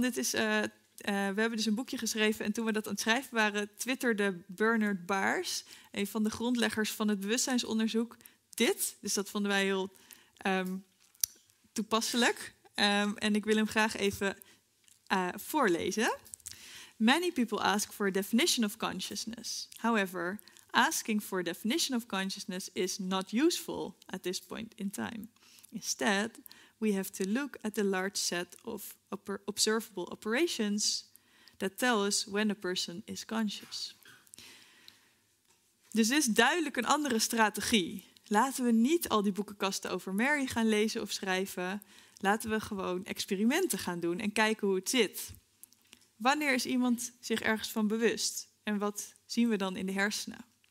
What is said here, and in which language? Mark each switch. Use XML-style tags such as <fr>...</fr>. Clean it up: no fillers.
<nl>Dit is, we hebben dus een boekje geschreven en toen we dat aan het schrijven waren, twitterde Bernard Baars, een van de grondleggers van het bewustzijnsonderzoek, dit. Dus dat vonden wij heel toepasselijk. En ik wil hem graag even voorlezen.</nl> <en>Many people ask for a definition of consciousness. However, asking for a definition of consciousness is not useful at this point in time. Instead, we have to look at the large set of observable operations that tell us when a person is conscious.</en> <nl>Dus dit is duidelijk een andere strategie. Laten we niet al die boekenkasten over Mary gaan lezen of schrijven. Laten we gewoon experimenten gaan doen en kijken hoe het zit. Wanneer is iemand zich ergens van bewust? En wat zien we dan in de hersenen?</nl>